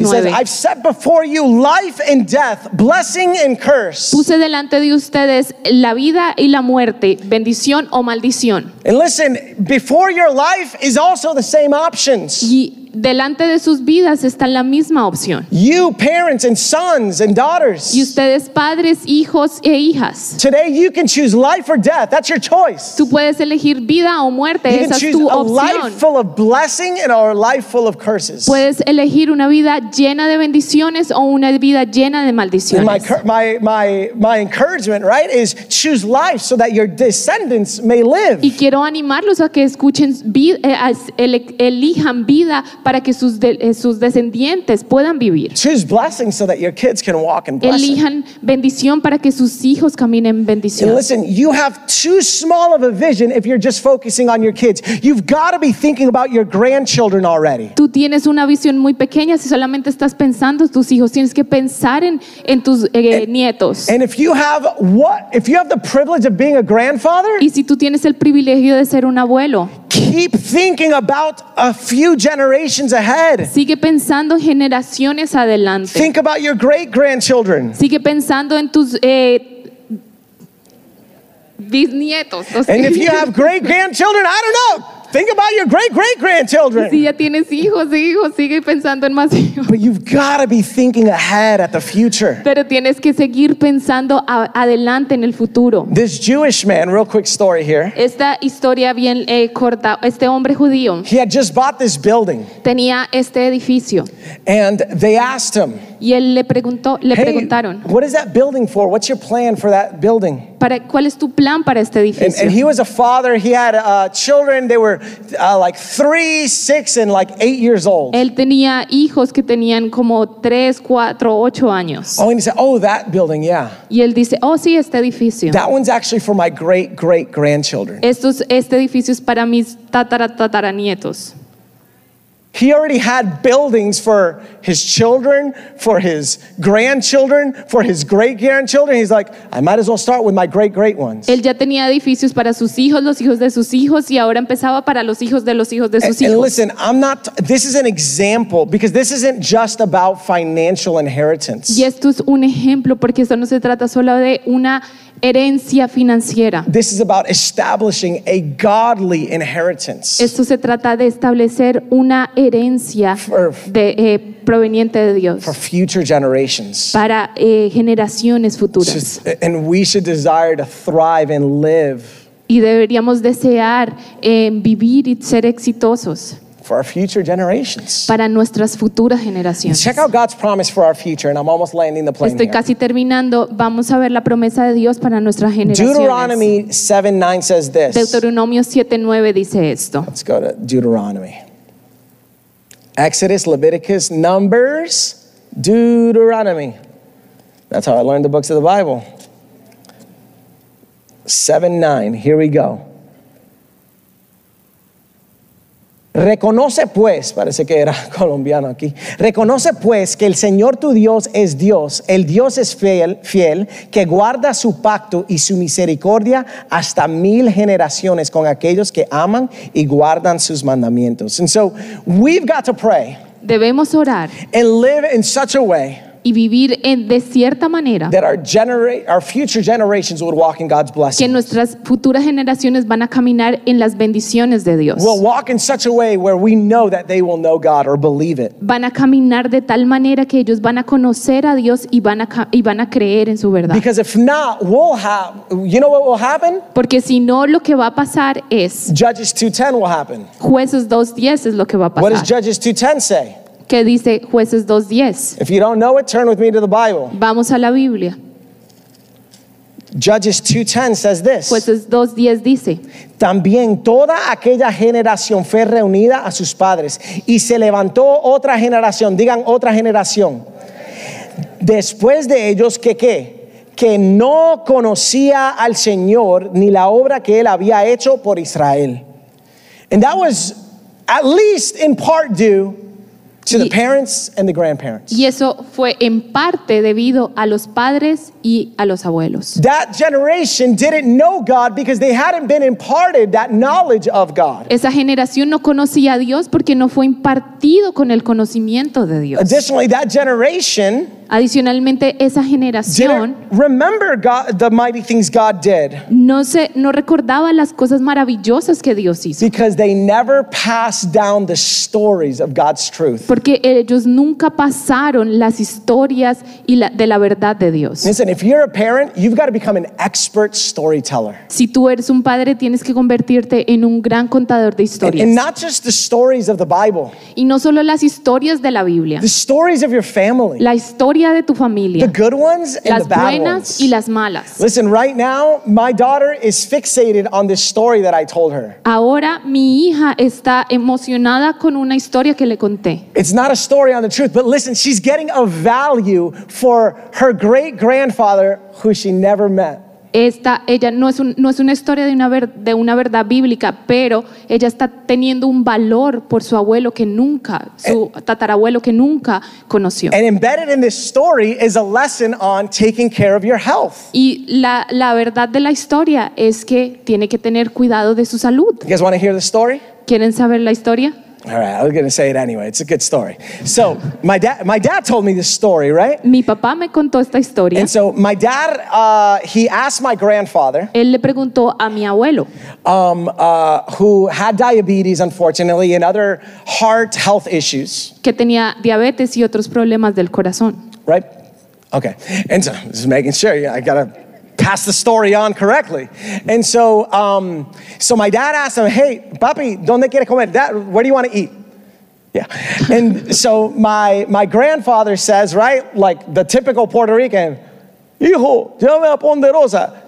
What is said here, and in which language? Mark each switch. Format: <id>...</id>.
<en>He says, "I've set before you life and death, blessing and curse."</en> <es>Puse delante de ustedes la vida y la muerte, bendición o maldición.</es> <en>And listen, before your life is also the same options.</en> <es>Y delante de sus vidas está la misma opción.</es> <en>You parents and sons and daughters.</en> <es>Y ustedes padres, hijos e hijas.</es> <en>Today you can choose life or death. That's your choice.</en> <es>Tú puedes elegir vida o muerte. Esa es tu opción.</es> <en>You can choose a life full of blessing and a life full of curses.</en> <es>Puedes elegir una vida llena de bendiciones o una vida llena de maldiciones.</es> <en>And my encouragement, right, is choose life so that your descendants may live.</en> <es>Y quiero animarlos a que escuchen elijan vida para que sus descendientes puedan vivir.</es> <en>Choose blessing so that your kids can walk in blessing.</en> <es>Elijan bendición para que sus hijos caminen en bendición.</es> <en>And listen, you have too small of a vision if you're just focusing on your kids. You've got to be thinking about your grandchildren already.</en> <es>Tú tienes una visión muy pequeña si solamente estás pensando en tus hijos. Tienes que pensar en tus nietos.</es> <en>And if you have the privilege of being a grandfather,</en> <es>y si tú tienes el privilegio de ser un abuelo,</es> <en>keep thinking about a few generations ahead.</en> <es>Sigue pensando generaciones adelante.</es> <en>Think about your great grandchildren.</en> <es>Sigue pensando en tus bisnietos.</es> <en>And if you have great grandchildren, I don't know. Think about your great great grandchildren.</en> <es>Si ya tienes hijos, sigue pensando en más hijos.</es> <en>But you've got to be thinking ahead at the future.</en> <es>Pero tienes que seguir pensando adelante en el futuro.</es> <en>This Jewish man, real quick story here.</en> <es>Esta historia bien corta. Este hombre judío.</es> <en>He had just bought this building.</en> <es>Tenía este edificio.</es> <en>And they asked him.</en> <es>Y él le preguntaron.</es> <en>What is that building for? What's your plan for that building?</en> <es>Para, ¿cuál es tu plan para este edificio?</es> <en>And he was a father. He had children. They were like 3, 6, and like 8 years old.</en> <es>Él tenía hijos que tenían como 3, 4, 8 años.</es> <en>Oh, and he said, oh, that building, yeah.</en> <es>Y él dice, oh, sí, este edificio.</es> <en>That one's actually for my great great grandchildren.</en> <es>Este edificio es para mis tataranietos.</es> <en>He already had buildings for his children, for his grandchildren, for his great-grandchildren. He's like, I might as well start with my great-great ones.</en> <es>Él ya tenía edificios para sus hijos, los hijos de sus hijos, y ahora empezaba para los hijos de los hijos de sus hijos.</es> <en>And listen, this is an example, because this isn't just about financial inheritance.</en> <es>Y esto es un ejemplo, porque esto no se trata solo de una herencia financiera.</es> <en>This is about establishing a godly inheritance.</en> <es>Esto se trata de establecer una herencia proveniente de Dios.</es> <en>For future generations.</en> <es>Para generaciones futuras.</es> <en>And we should desire to thrive and live.</en> <es>Y deberíamos desear vivir y ser exitosos.</es> <en>for our future generations.</en> <es>Para nuestras futuras generaciones.</es> <en>Check out God's promise for our future, and I'm almost landing the plane.</en> <es>Estoy casi</es> <en>here.</en> <es>Terminando. Vamos a ver la promesa de Dios para nuestras generaciones.</es> <en>Deuteronomy 7:9 says this.</en> <es>Deuteronomio 7:9 dice esto.</es> <en>Let's go to Deuteronomy. Exodus, Leviticus, Numbers, Deuteronomy. That's how I learned the books of the Bible. 7:9. Here we go.</en> <es>Reconoce pues, parece que era colombiano aquí. Reconoce pues que el Señor tu Dios es Dios, el Dios es fiel, fiel, que guarda su pacto y su misericordia hasta mil generaciones con aquellos que aman y guardan sus mandamientos.</es> <en>And so we've got to pray.</en> <es>Debemos orar.</es> <en>And live in such a way.</en> <es>Y vivir en, de cierta manera</es> <en>that our future generations would walk in God's blessings.</en> <es>Que nuestras futuras generaciones van a caminar en las bendiciones de Dios.</es> <en>We'll walk in such a way where we know that they will know God or believe it.</en> <es>Van a caminar de tal manera que ellos van a conocer a Dios y van a creer en su verdad.</es> <en>Because if not, you know what will happen?</en> <es>Porque si no, lo que va a pasar es</es> <en>Judges 2:10 will happen.</en> <es>Jueces 2:10 es lo que va a pasar.</es> <en>What does Judges 2:10 say?</en> <es>¿Qué dice Jueces 2:10?</es> <en>If you don't know it, turn with me to the Bible.</en> <es>Vamos a la Biblia.</es> <en>Judges 2:10 says this.</en> <es>Jueces 2:10 dice. También toda aquella generación fue reunida a sus padres y se levantó otra generación. Digan otra generación. Después de ellos, ¿qué? Que no conocía al Señor ni la obra que Él había hecho por Israel.</es> <en>And that was at least in part due to the parents and the grandparents.</en> <es>Y eso fue en parte debido a los padres y a los abuelos.</es> <en>That generation didn't know God because they hadn't been imparted that knowledge of God.</en> <es>Esa generación no conocía a Dios porque no fue impartido con el conocimiento de Dios.</es> <en>Additionally, that generation</en> <es>adicionalmente esa generación</es> <en>remember God, the mighty things God did.</en> <es>No recordaba las cosas maravillosas que Dios hizo.</es> <en>Because they never passed down the stories of God's truth.</en> <es>Porque ellos nunca pasaron las historias y de la verdad de Dios.</es> <en>Listen, if you're a parent, you've got to become an expert storyteller.</en> <es>Si tú eres un padre, tienes que convertirte en un gran contador de historias.</es> <en>And not just the stories of the Bible.</en> <es>Y no solo las historias de la Biblia.</es> <en>The stories of your family.</en> <es>La historia de tu familia.</es> <en>The good ones and</en> <es>las</es> <en>the bad</en> <es>buenas</es> <en>ones.</en> <es>Y las malas.</es> <en>Listen, right now, my daughter is fixated on this story that I told her.</en> <es>Ahora mi hija está emocionada con una historia que le conté.</es> <en>It's not a story on the truth, but listen, she's getting a value for her great-grandfather who she never met.</en> <es>Esta, ella no es una historia de una verdad bíblica, pero ella está teniendo un valor por su abuelo que nunca, su tatarabuelo que nunca conoció.</es> <en>And embedded in this story is a lesson on taking care of your health.</en> <es>Y la verdad de la historia es que tiene que tener cuidado de su salud.</es> <en>You guys want to hear the story?</en> <es>¿Quieren saber la historia?</es> <en>All right, I was going to say it anyway. It's a good story. So my dad told me this story, right?</en> <es>Mi papá me contó esta historia.</es> <en>And so my dad, he asked my grandfather.</en> <es>Él le preguntó a mi abuelo.</es> <en>Who had diabetes, unfortunately, and other heart health issues.</en> <es>Que tenía diabetes y otros problemas del corazón.</es> <en>Right? Okay. And so just making sure, yeah, I got to pass the story on correctly. And so so my dad asked him, hey,</en> <es>papi, ¿dónde quieres comer?</es> <en>Dad, where do you want to eat? Yeah. And so my grandfather says, right, like the typical Puerto Rican,</en> <es>hijo, llévame a Ponderosa.</es>